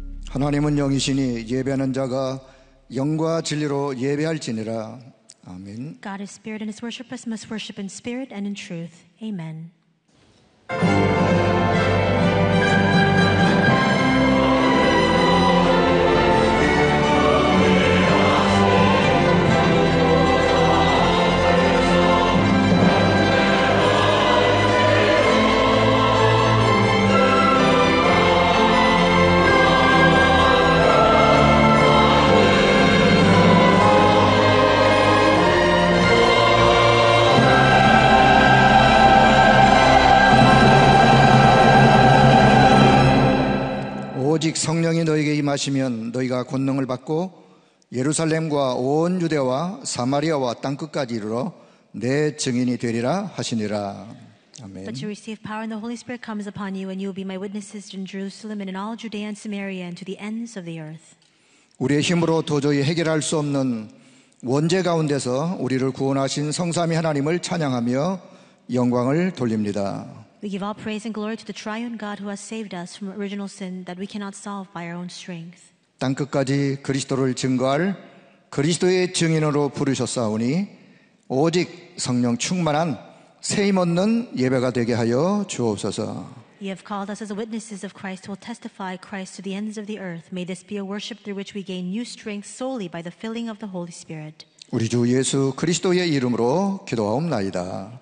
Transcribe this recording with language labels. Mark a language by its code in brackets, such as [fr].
[ko] 하나님은 영이시니 예배하는 자가 영과 진리로 예배할지니라. 아멘. [en] God is spirit and his worshippers must worship in spirit and in truth. Amen. [ko] 오직 성령이 너희에게 임하시면 너희가 권능을 받고 예루살렘과 온 유대와 사마리아와 땅끝까지 이르러 내 증인이 되리라 하시니라. 아멘. [en] But you receive power and the Holy Spirit comes upon you and you will be my witnesses in Jerusalem and in all Judea and Samaria and to the ends of the earth. [ko] 우리의 힘으로 도저히 해결할 수 없는 원죄 가운데서 우리를 구원하신 성삼위 하나님을 찬양하며 영광을 돌립니다. [en] We give all praise and glory to the triune God who has saved us from original sin that we cannot solve by our own strength. [ko] 땅 끝까지 그리스도를 증거할 그리스도의 증인으로 부르셨사오니 오직 성령 충만한 새 힘 얻는 예배가 되게 하여 주옵소서. [en] You have called us as witnesses of Christ who will testify Christ to the ends of the earth. May this be a worship through which we gain new strength solely by the filling of the Holy Spirit. [ko] 우리 주 예수 그리스도의 이름으로 기도하옵나이다.